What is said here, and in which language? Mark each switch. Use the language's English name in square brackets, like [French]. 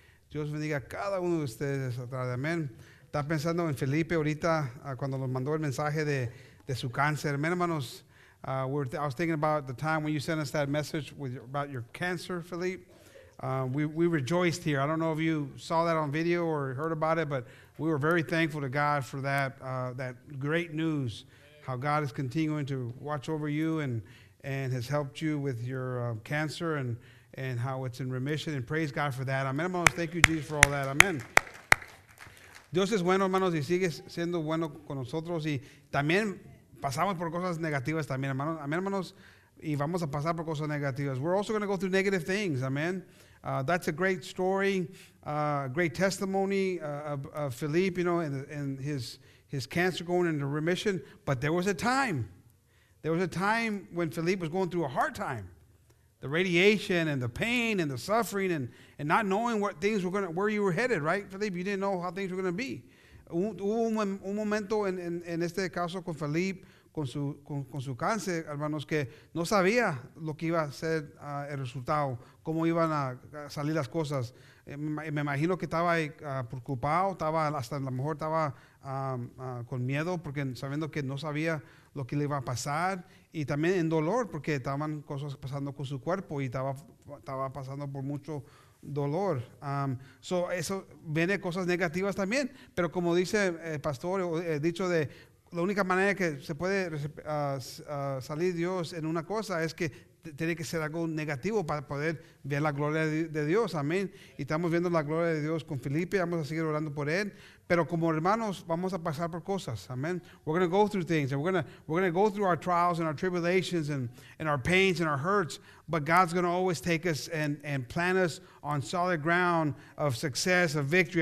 [Spanish] Dios bendiga a cada uno de ustedes esta tarde. Amen. Está pensando en Felipe ahorita cuando nos mandó el mensaje de su cáncer. Amen, hermanos. [English] I was thinking about the time when you sent us that message about your cancer, Philippe. We rejoiced here. I don't know if you saw that on video or heard about it, but we were very thankful to God for that that great news, how God is continuing to watch over you and has helped you with your cancer and how it's in remission. And praise God for that. [Spanish] Amen, hermanos. [English] Thank you, Jesus, for all that. Amen. [Spanish] Dios es bueno, hermanos, y sigue siendo bueno con nosotros. Y también pasamos por cosas negativas también, hermanos. Amén, hermanos. Y vamos a pasar por cosas negativas. [English] We're also going to go through negative things. Amen. That's a great story, great testimony of Philippe, you know, and his cancer going into remission. But there was a time. There was a time when Philippe was going through a hard time. The radiation and the pain and the suffering and not knowing what things were going to, where you were headed, right, Philippe? You didn't know how things were going to be. [Spanish] Un momento en este caso con Felipe, con su cáncer, hermanos, que no sabía lo que iba a ser el resultado, cómo iban a salir las cosas. Me imagino que estaba preocupado, estaba hasta a lo mejor estaba con miedo, porque sabiendo que no sabía lo que le iba a pasar, y también en dolor, porque estaban cosas pasando con su cuerpo y estaba pasando por mucho dolor. So eso viene cosas negativas también, pero como dice el pastor, dicho de la única manera que se puede salir Dios en una cosa es que tiene que ser algo negativo para poder ver la gloria de Dios. Amén. Y estamos viendo la gloria de Dios con Felipe, vamos a seguir orando por él, pero como hermanos vamos a pasar por cosas. Amén. [English] We're going to go through things and we're going to go through our trials and our tribulations and our pains and our hurts, but God's going to always take us and plant us on solid ground of success, of victory.